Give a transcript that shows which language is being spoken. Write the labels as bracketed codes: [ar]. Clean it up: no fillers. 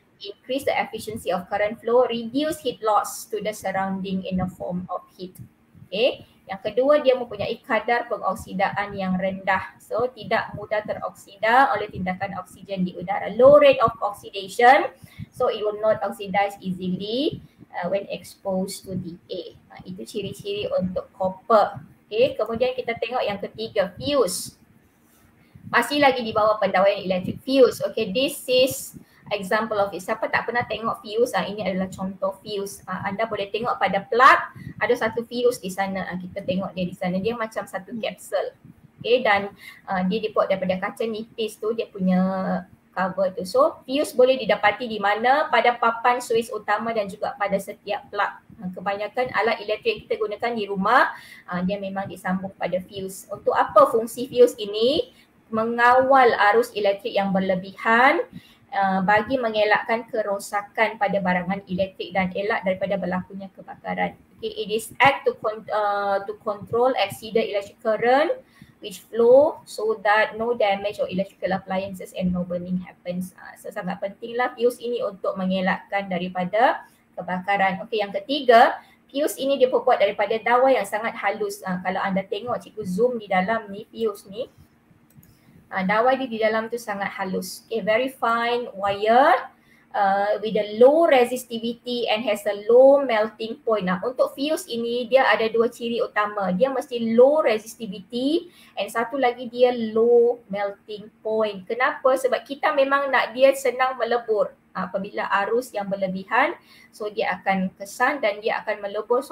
[en] increase the efficiency of current flow, reduce heat loss to the surrounding in the form of heat. Okay. [ms] Yang kedua, dia mempunyai kadar pengoksidaan yang rendah. So, tidak mudah teroksida oleh tindakan oksigen di udara. [en] Low rate of oxidation. So, it will not oxidize easily when exposed to the air. [ms] Nah, itu ciri-ciri untuk copper. Okay. Kemudian kita tengok yang ketiga, fuse. Masih lagi di bawah pendawaian electric fuse. [en] Okay, this is example of it. [ms] Siapa tak pernah tengok fuse? Ini adalah contoh fuse. Anda boleh tengok pada plug, ada satu fuse di sana. Kita tengok dia di sana. Dia macam satu capsule. Okay, dan dia dibuat daripada kaca nipis tu, dia punya cover tu. So, fuse boleh didapati di mana? Pada papan suis utama dan juga pada setiap plug. Kebanyakan alat elektrik kita gunakan di rumah, dia memang disambung pada fuse. Untuk apa fungsi fuse ini? Mengawal arus elektrik yang berlebihan bagi mengelakkan kerosakan pada barangan elektrik dan elak daripada berlakunya kebakaran. [en] Okay, it is act to control exceeded electric current which flow so that no damage or electrical appliances and no burning happens. [ms] So sangat pentinglah fuse ini untuk mengelakkan daripada kebakaran. Okay, yang ketiga, fuse ini dia dibuat daripada dawai yang sangat halus. Kalau anda tengok cikgu zoom di dalam ni, fuse ni, dawai dia di dalam tu sangat halus. [en] Okay, very fine wire with a low resistivity and has a low melting point. [ms] Nah, untuk fuse ini dia ada dua ciri utama. Dia mesti low resistivity and satu lagi dia low melting point. Kenapa? Sebab kita memang nak dia senang melebur. Apabila arus yang berlebihan, so dia akan kesan dan dia akan melebur.